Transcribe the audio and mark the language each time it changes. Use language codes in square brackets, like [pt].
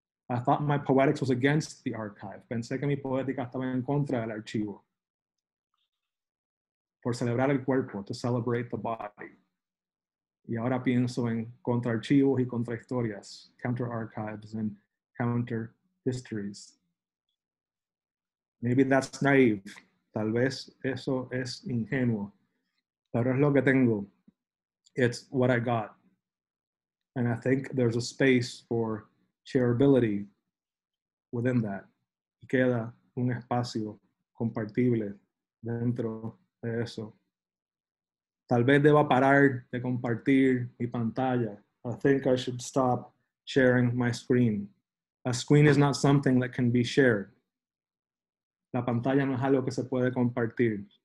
[en] I thought my poetics was against the archive. [es] Pensé que mi poética estaba en contra del archivo. Por celebrar el cuerpo, [en] to celebrate the body. [es] Y ahora pienso en contraarchivos y contrahistorias, [en] counter archives and counter histories. Maybe that's naive. [es] Tal vez eso es ingenuo. Pero es lo que tengo. [en] It's what I got. And I think there's a space for shareability within that. [es] Y queda un espacio compartible dentro de eso. Tal vez deba parar de compartir mi pantalla. [en] I think I should stop sharing my screen. A screen is not something that can be shared. [es] La pantalla no es algo que se puede compartir.